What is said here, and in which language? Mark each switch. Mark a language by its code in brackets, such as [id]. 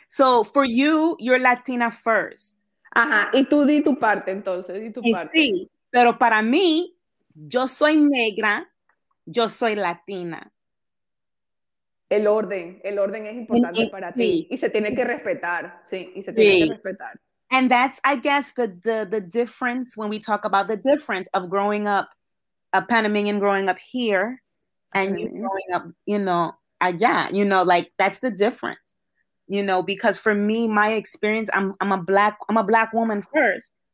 [en] So for you, you're Latina first. [es] Ajá, y tú di tu parte entonces, di tu parte. Sí, pero para mí, yo soy negra, yo soy Latina. El orden es importante para ti y se tiene que respetar, sí. [en] And that's, I guess, the difference when we talk about the difference of growing up, a Panamanian growing up here, and you growing up, you know, allá, you know, like that's the difference, you know, because for me, my experience, I'm a black woman first.